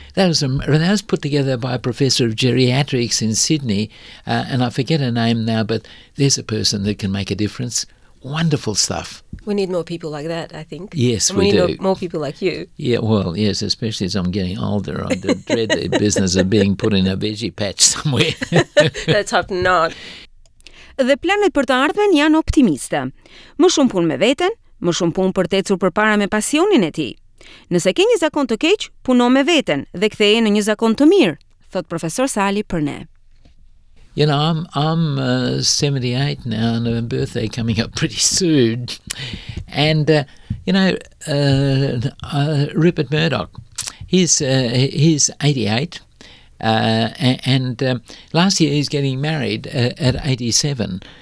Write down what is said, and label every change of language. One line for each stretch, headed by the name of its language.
English: That was put together by a professor of geriatrics in Sydney, and I forget her name now, but there's a person that can make a difference. Wonderful stuff. We need more people like that, I think. Yes, we do. We need more people like you. Yeah, well, yes, especially as I'm getting older, I dread the business of being put in a veggie patch somewhere. Let's hope not.
Albanian: Dhe planet për të ardhmen janë optimiste. Më shumë punë me veten, më shumë punë për të ecur përpara me pasionin e tij. Nëse ke një zakon të keq, puno me veten dhe ktheje në një zakon të mirë, thot profesor Sali për ne.
English: You know, I'm 78 now, and a birthday coming up pretty soon. And Rupert Murdoch, he's 88, last year he's getting married at 87.